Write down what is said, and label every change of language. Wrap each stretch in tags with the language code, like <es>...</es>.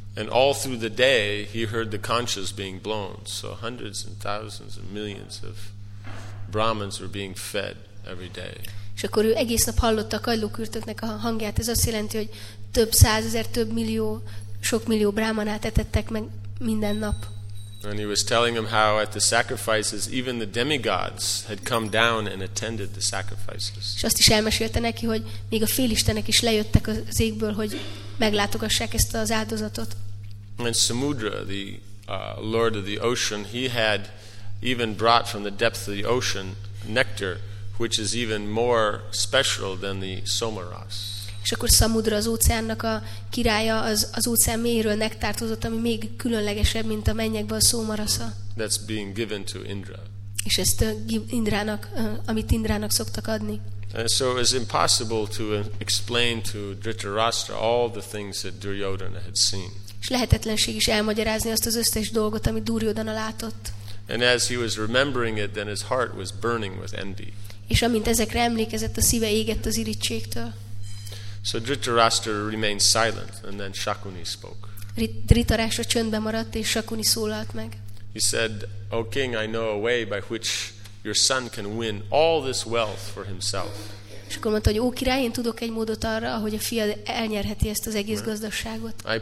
<en>And all through the day, he heard the conches being blown. So hundreds and thousands and millions of Brahmins were being fed every day.</en> <hu>És akkor ő egész nap hallotta a kagylókürtöknek a hangját. Ez azt jelenti, hogy több százezer, több millió, sok millió brámanát etettek meg minden nap.</hu> <en>And he was telling them how at the sacrifices even the demigods had come down and attended the sacrifices.</en> <hu>És azt is elmesélte neki, hogy még a félistenek is lejöttek az égből, hogy meglátogassák ezt az áldozatot.</hu> <en>And Samudra, the lord of the ocean, he had even brought from the depth of the ocean nectar, which is even more special than the somaras.</en> <hu>És akkor Samudra, az óceánnak a királya, az óceán mélyéről nektártozott, ami még különlegesebb, mint a mennyekben a szómarasza.</hu> <en>That's being given to Indra.</en> <hu>És ezt Indrának, amit Indrának szoktak adni.</hu> <en>And so it was impossible to explain to Dhritarashtra all the things that Duryodhana had seen.</en> <hu>És lehetetlenség is elmagyarázni azt az összes dolgot, amit Duryodhana látott.</hu> <en>And as he was remembering it, then his heart was burning with envy.</en> <hu>És amint ezekre emlékezett, a szíve égett az irigységtől.</hu> <en>So Dhritarashtra remained silent, and then Shakuni spoke.</en> <hu>Dhritarashtra csöndben maradt, és Shakuni szólalt meg.</hu> <en>He said, O king, I know a way by which your son can win all this wealth for himself.</en> <hu>És akkor mondta, hogy ó király, én tudok egy módot arra, ahogy a fiad elnyerheti ezt az egész gazdagságot.</hu>